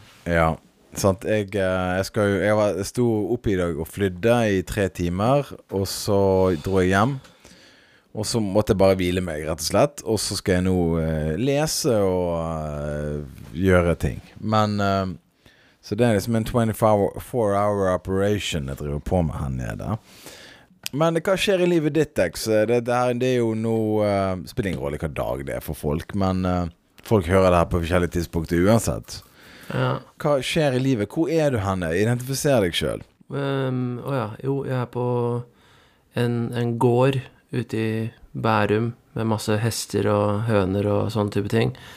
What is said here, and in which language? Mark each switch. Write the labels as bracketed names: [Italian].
[Norwegian] Ja, sant, jeg stod oppe i dag og flydde i 3 timer, og så dro jeg hjem. Og så måtte jeg bare hvile meg, rett og slett. Og så skal jeg nå lese og gjøre ting. Men [Swedish] Så det är liksom en [English] 24-hour operation [Swedish] jag driver på med här nere. [Norwegian] Men hva skjer i livet ditt, Dex? Det er jo noe, spiller ingen roll hva dag det er for folk, men folk hører det her på forskjellige tidspunkter uansett. Ja. Hva skjer i livet? Hvor er du, Hanne? Identifiser deg selv. Jo, jeg er på en gård ute i Bærum med masse hester og høner og sånne type ting.